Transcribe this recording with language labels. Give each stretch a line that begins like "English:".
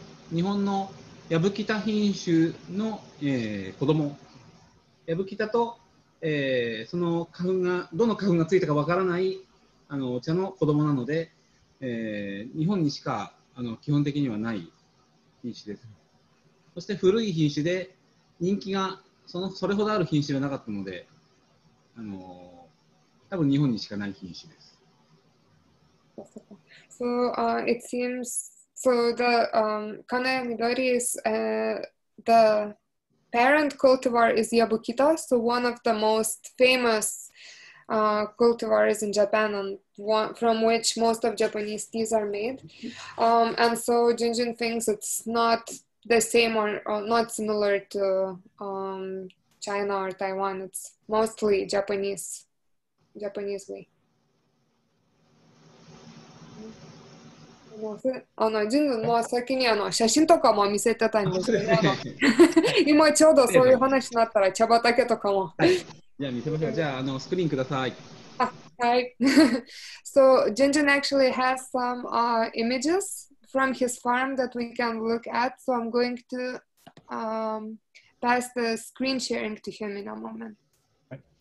Japanese: 日本のヤブキタ品種の、子供ヤブキタと、その花粉がどの花粉がついたかわからないあの茶の子供なので、日本にしかあの基本的にはない品種です。そして古い品種で人気がそれほどある品種ではなかったので、多分日本にしかない品種です。
English: So, it seems, so the Kanaya Midori is the parent cultivar is Yabukita, so one of the most famous cultivars in Japan and one from which most of Japanese teas are made. And so Junjun thinks it's not the same or not similar to China or Taiwan. It's mostly Japanese way.
Japanese: あの、ジュンも先にあの写真とかも見せてたんですけど、ね、今ちょうどそういう話になったら茶畑とかも、はい、じゃあ見せましょう。じゃあ、 あのスクリーンください。あ、はい。
English: So Junjun actually has some images from his farm that we can look at, so I'm going to pass the screen sharing to him in a moment、はい。